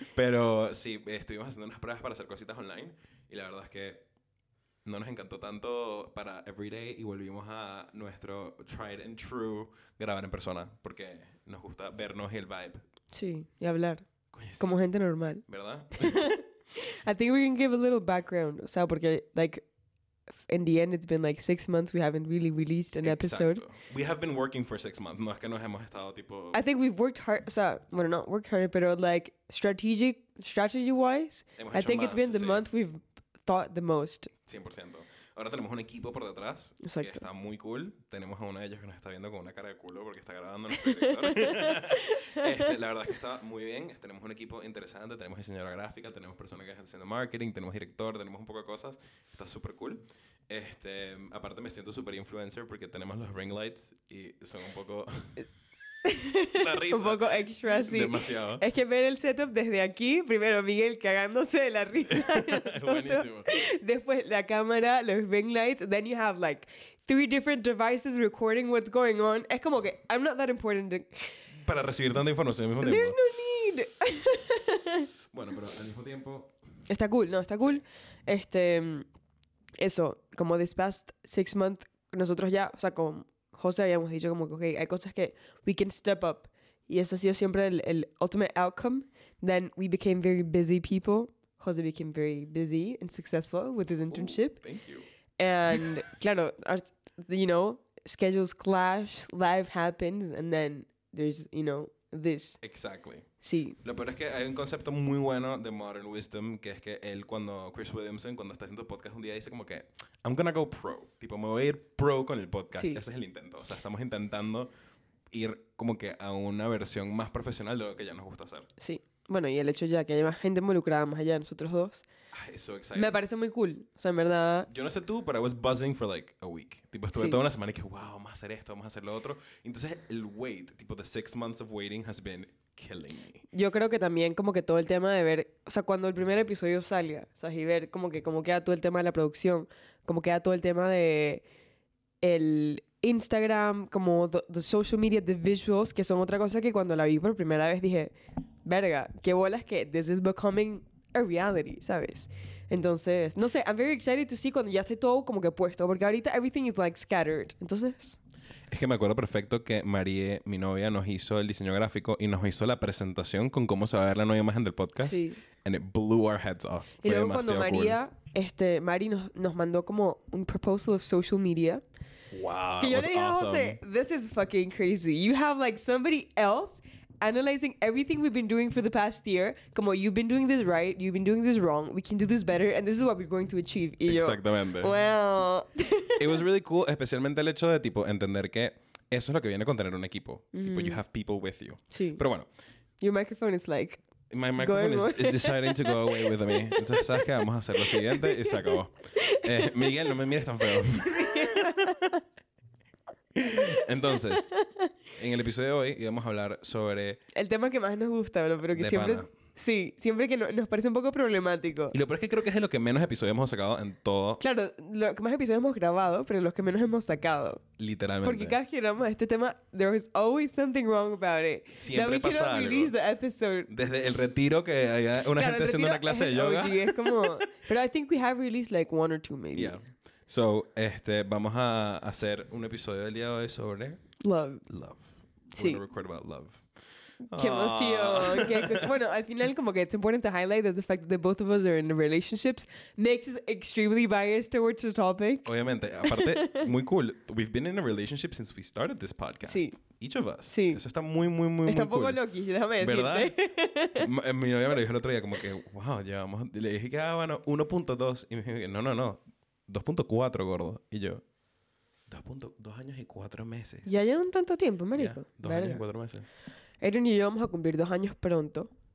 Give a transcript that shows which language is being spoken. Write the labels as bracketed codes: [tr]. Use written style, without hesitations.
[es] Pero sí, estuvimos haciendo unas pruebas para hacer cositas online y la verdad es que no nos encantó tanto para Everyday y volvimos a nuestro [en] tried and true [es] grabar en persona porque nos gusta vernos y el vibe. Sí, y hablar. Coño, como sí. Gente normal. ¿Verdad? [en] I think we can give a little background. [es] O sea, porque, [en] like, in the end, it's been like 6 months we haven't really released an episode. We have been working for 6 months. [es] No es que nos hemos estado tipo... [en] I think we've worked hard. [es] O sea, bueno, [en] not worked hard, pero like strategy-wise, I think [es] más, [en] it's been the month we've thought the most. [es] 100%. Ahora tenemos un equipo por detrás. Exacto. Que está muy cool. Tenemos a una de ellas que nos está viendo con una cara de culo porque está grabando nuestro director. la verdad es que está muy bien. Tenemos un equipo interesante. Tenemos diseñadora gráfica. Tenemos personas que están haciendo marketing. Tenemos director. Tenemos un poco de cosas. Está súper cool. Aparte me siento súper influencer porque tenemos los ring lights y son un poco... risa. Un poco extra, sí. Demasiado. Es que ver el setup desde aquí, primero Miguel cagándose de la risa. Es buenísimo. Después la cámara, los [en] ring lights, then you have like 3 different devices recording what's going on. [es] Es como que [en] I'm not that important. [es] Para recibir tanta información al mismo tiempo. [en] There's no need. [es] Bueno, pero al mismo tiempo... Está cool, ¿no? Está cool. Eso, como [en] this past 6 months, [es] nosotros ya, o sea, con José habíamos dicho como que, okay, hay cosas que [en] we can step up. [es] Y eso ha sido siempre el [en] ultimate outcome. Then we became very busy people. José became very busy and successful with his internship. Ooh, thank you. And, [es] claro, [en] you know, schedules clash, life happens, and then there's, you know, this. Exactly. [es] Sí. Lo peor es que hay un concepto muy bueno de Modern Wisdom, que es que él, cuando Chris Williamson, cuando está haciendo podcast un día, dice como que, [en] I'm gonna go pro. [es] Tipo, me voy a ir pro con el podcast. Sí. Ese es el intento. O sea, estamos intentando ir como que a una versión más profesional de lo que ya nos gusta hacer. Sí. Bueno, y el hecho ya que haya más gente involucrada más allá de nosotros dos. [en] Ay, so exciting. [es] Me parece muy cool. O sea, en verdad... Yo no sé tú, pero [en] I was buzzing for like a week. [es] Tipo, estuve toda una semana y que, wow, vamos a hacer esto, vamos a hacer lo otro. Entonces, el [en] wait, tipo, the 6 months of waiting has been killing me. [es] Yo creo que también como que todo el tema de ver... O sea, cuando el primer episodio salga, o sea, y ver como que cómo queda todo el tema de la producción, cómo queda todo el tema de el Instagram, como [en] the social media, the visuals, [es] que son otra cosa que cuando la vi por primera vez dije... Verga, qué bolas que [en] this is becoming a reality, [es] ¿sabes? Entonces, no sé, [en] I'm very excited to see [es] cuando ya esté todo como que puesto, porque ahorita [en] everything is like scattered, [es] entonces... Es que me acuerdo perfecto que Marie, mi novia, nos hizo el diseño gráfico y nos hizo la presentación con cómo se va a ver la nueva imagen del podcast. Sí. [en] And it blew our heads off. [es] Y luego cuando María, Mari nos mandó como un [en] proposal of social media. Wow, [es] que yo le dije, [en] awesome. José, this is fucking crazy. You have like somebody else... Analyzing everything we've been doing for the past year. [es] Como, [en] you've been doing this right, you've been doing this wrong, we can do this better, and this is what we're going to achieve. [es] Y exactamente. [en] Yo, well... It was really cool, [es] especialmente el hecho de, tipo, entender que eso es lo que viene con tener un equipo. Mm-hmm. [en] Tipo, you have people with you. [es] Sí. Pero bueno. [en] Your microphone is like... My microphone is deciding to go away with me. [es] Entonces, ¿sabes qué? Vamos a hacer lo siguiente y se acabó. Miguel, no me mires tan feo. Entonces, en el episodio de hoy íbamos a hablar sobre... El tema que más nos gusta, pero que siempre... Pana. Sí, siempre que nos parece un poco problemático. Y lo peor es que creo que es de lo que menos episodios hemos sacado en todo... Claro, lo que más episodios hemos grabado, pero los que menos hemos sacado. Literalmente. Porque cada vez que hablamos de este tema, [en] there is always something wrong about it. [es] Siempre [en] that we [es] pasa [en] cannot [es] algo. [en] Release the episode. [es] Desde el retiro que había una claro, gente haciendo una clase de yoga. Es como... Pero [en] I think we have released like one or two maybe. Yeah. [es] So, vamos a hacer un episodio del día de hoy sobre... [en] Love. Love. [es] Sí. [en] We're gonna record about love. [es] ¡Qué emoción! Qué, bueno, al final como que [en] it's important to highlight that the fact that both of us are in relationships makes us extremely biased towards the topic. [es] Obviamente. Aparte, muy cool. [en] We've been in a relationship since we started this podcast. [es] Sí. [en] Each of us. [es] Sí. Eso está muy, muy, muy, está muy cool. Está un poco loquish, déjame decirte. ¿Verdad? Mi novia me lo dijo el otro día como que, wow, llevamos... Le dije que, ah, bueno, 1.2. Y me dijo que, no. 2.4, gordo. Y yo... Dos años y cuatro meses. Ya llevan tanto tiempo, marico. Años y cuatro meses. Aaron y yo vamos a cumplir 2 años pronto.